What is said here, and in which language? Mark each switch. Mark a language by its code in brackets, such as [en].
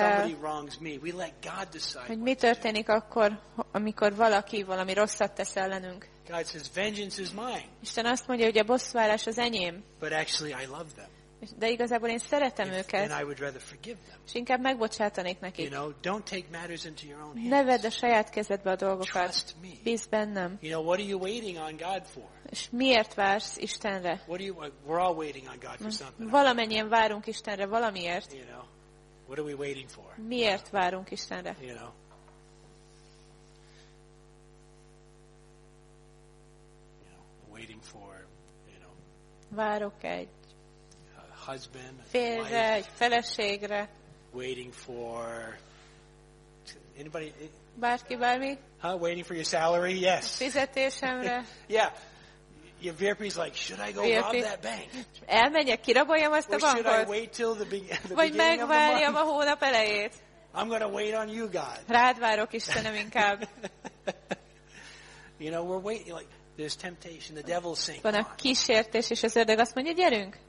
[en] When somebody wrongs me, we let God decide. [hu] Hogy mi történik akkor, amikor valaki valami rosszat tesz ellenünk? [en] God says, "Vengeance is mine." [hu] Isten azt mondja, hogy a bosszúállás az enyém. [en] But actually, I love them. [hu] De igazából én szeretem őket. [en] And I would rather forgive them. [hu] És inkább megbocsátanék nekik. [en] You know, don't take matters into your own hands. [hu] Ne vedd a saját kezedbe a dolgokat. [en] Trust me. [hu] Bíz bennem. [en] You know, what are you waiting on God for? [hu] És miért vársz Istenre? [en] What are you, we're all waiting on God for something. [hu] Valamennyien várunk Istenre valamiért. [en] You know, what are we waiting for? [hu] Miért várunk Istenre? [en] You know. Waiting for, you know. [hu] Várok egy [en] husband, [hu] férre, egy feleségre. [en] Waiting for anybody. [hu] Bárki, bármi? [en] Huh? Waiting for your salary? Yes. [hu] Fizetésemre. [en] Yeah. Your VIP's like, should I go rob that bank? [hu] Elmegyek, kiraboljam azt a bankot? [en] Or should I wait till the beginning of the month? [hu] Vagy megvárjam a hónap elejét? [en] I'm gonna wait on you, God. [hu] Rád várok, Istenem, inkább. [en] You know, we're waiting. Like, there's temptation. The devil's saying, [hu] van a kísértés, és az ördög azt mondja, gyerünk.